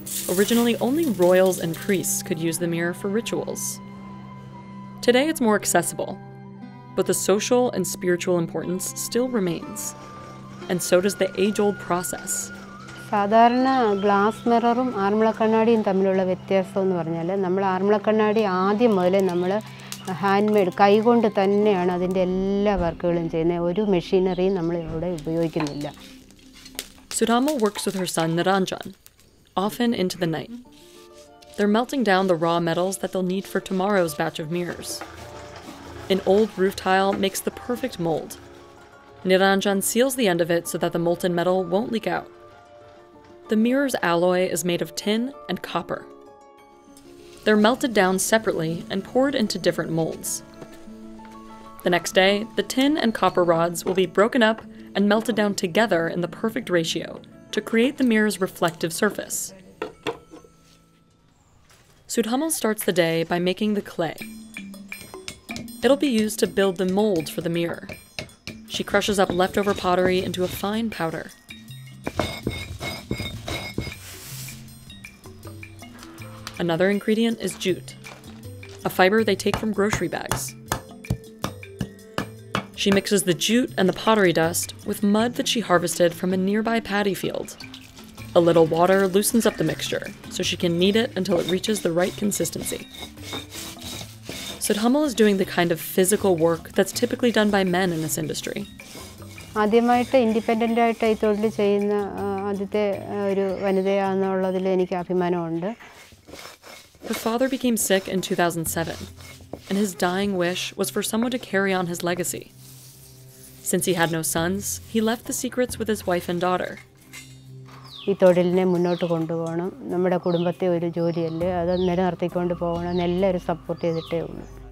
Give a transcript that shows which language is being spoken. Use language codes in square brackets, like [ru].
[en] Originally, only royals and priests could use the mirror for rituals. Today, it's more accessible, but the social and spiritual importance still remains, and so does the age-old process. [ml] സാധാരണ glass മിററും ആർമുള കണ്ണാടിയും തമ്മിലുള്ള വ്യത്യാസം എന്ന് പറഞ്ഞാൽ നമ്മൾ ആർമുള കണ്ണാടി ആദ്യം മുതലേ നമ്മൾ ഹാൻഡ്മെയ്ഡ് കൈകൊണ്ട് തന്നെയാണ് അതിൻ്റെ എല്ലാ വർക്കുകളും ചെയ്യുന്നത് ഒരു മെഷീനറിയും നമ്മൾ ഇവിടെ ഉപയോഗിക്കുന്നില്ല [en] Surama works with her son Niranjan often into the night they are melting down the raw metals that they need for tomorrow's batch of മിററുകൾ an old roof tile makes the perfect mould Niranjan seals the end of it so that the molten metal won't leak out The mirror's alloy is made of tin and copper. They're melted down separately and poured into different molds. The next day, the tin and copper rods will be broken up and melted down together in the perfect ratio to create the mirror's reflective surface. Sudhamal starts the day by making the clay. It'll be used to build the mold for the mirror. She crushes up leftover pottery into a fine powder. Another ingredient is jute, a fiber they take from grocery bags. She mixes the jute and the pottery dust with mud that she harvested from a nearby paddy field. A little water loosens up the mixture, so she can knead it until it reaches the right consistency. Sudhamal is doing the kind of physical work that's typically done by men in this industry. [ml] ആദ്യമായിട്ട് ഇൻഡിപെൻഡൻ്റായിട്ട് ഈ തൊഴിൽ ചെയ്യുന്ന ആദ്യത്തെ ഒരു വനിതയാണെന്നുള്ളതിൽ എനിക്ക് അഭിമാനമുണ്ട് [en] Her father became sick in 2007, and his dying wish was for someone to carry on his legacy. Since he had no sons, he left the secrets with his wife and daughter. [ml] ഈ തൊഴിലിനെ മുന്നോട്ട് കൊണ്ടുപോകണം നമ്മുടെ കുടുംബത്തെ ഒരു ജോലിയല്ലേ അത് നിലനിർത്തിക്കൊണ്ട് പോകണം എല്ലാവരും സപ്പോർട്ട് ചെയ്തിട്ടേ ഉള്ളൂ